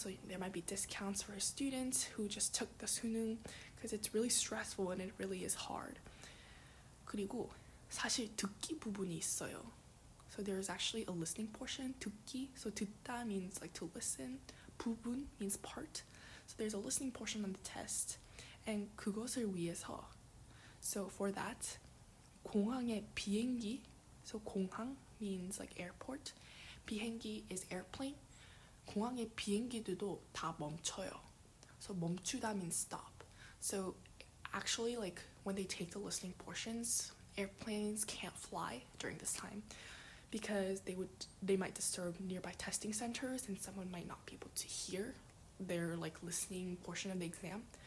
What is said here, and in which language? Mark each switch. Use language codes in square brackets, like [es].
[en] So there might be discounts for students who just took the 수능, because it's really stressful and it really is hard. [ko] 그리고 사실 듣기 부분이 있어요. [en] So there is actually a listening portion. 듣기, so 듣다 means like to listen. 부분 means part. So there's a listening portion on the test. And [ko] 그것을 위해서, [en] so for that, [ko] 공항에 비행기, [en] so 공항 means like airport. 비행기 is airplane. [ko] 공항에 비행기들도 다 멈춰요. [en] So 멈추다 means stop. So actually, like when they take the listening portions, airplanes can't fly during this time because they might disturb nearby testing centers, and someone might not be able to hear their like listening portion of the exam.